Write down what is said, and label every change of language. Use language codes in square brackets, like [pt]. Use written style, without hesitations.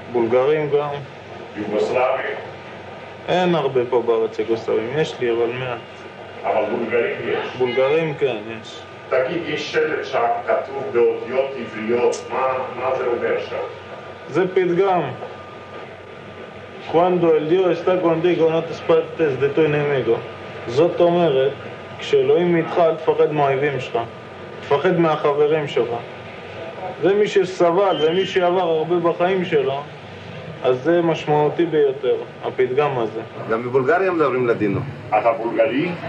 [he] בולגרים גם. יוגוסלביה? אין הרבה פה בארץ יוגוסלבים, יש לי אבל מעט. אבל בולגרים יש? בולגרים כן, יש. תגיד, יש שלט שם כתוב באותיות עבריות, מה זה אומר שם? זה פתגם. [lad] Cuando el Dios está contigo, no te espantes de tu enemigo. [he] זאת אומרת, כשאלוהים איתך, אל תפחד מהאויבים שלך. תפחד מהחברים שלך. זה מי שסבל, זה מי שעבר הרבה בחיים שלו, אז זה משמעותי ביותר, הפתגם הזה. גם בבולגריה מדברים לדינו. אתה בולגרי?